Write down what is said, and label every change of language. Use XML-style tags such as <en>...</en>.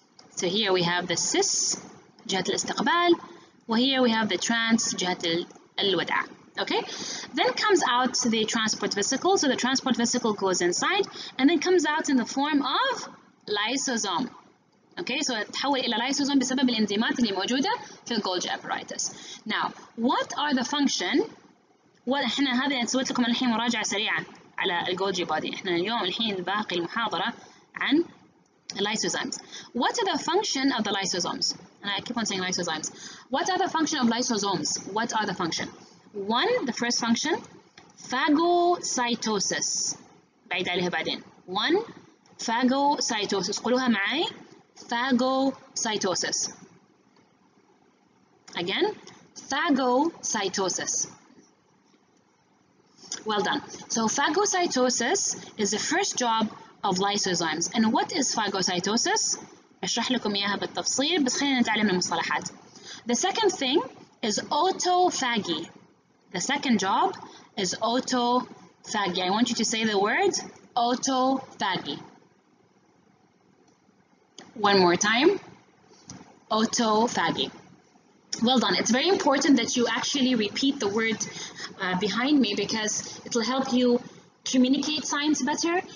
<en>So here we have the cis,</en> <ar>جهة الاستقبال, وهنا</ar> <en>we have the trans,</en> <ar>جهة الودع.</ar> <en>Okay? Then comes out the transport vesicle. So the transport vesicle goes inside and then comes out in the form of lysosome. Okay, so</en> <ar>تحول إلى lysosome بسبب الانزيمات اللي موجودة في Golgi apparatus.</ar> <en>Now, what are the function? Well,</en> <ar>إحنا هذا سويت لكم الحين مراجعة سريعة على Golgi body. إحنا اليوم الحين باقي المحاضرة عن lysosomes.</ar> <en>What are the function of the lysosomes? And I keep on saying lysosomes. What are the function of lysosomes? What are the function? One, the first function, phagocytosis.</en> <ar>بعيد عليها بعدين.</ar> <en>One, phagocytosis.</en> <ar>قلوها معي.</ar> <en>Phagocytosis. Again, phagocytosis. Well done. So phagocytosis is the first job of lysosomes. And what is phagocytosis?</en> <ar>أشرح لكم إياها بالتفصيل بس خلينا نتعلم المصطلحات.</ar> <en>The second thing is autophagy. The second job is autophagy. I want you to say the word autophagy. One more time. Autophagy. Well done. It's very important that you actually repeat the word behind me because it will help you communicate science better.</en>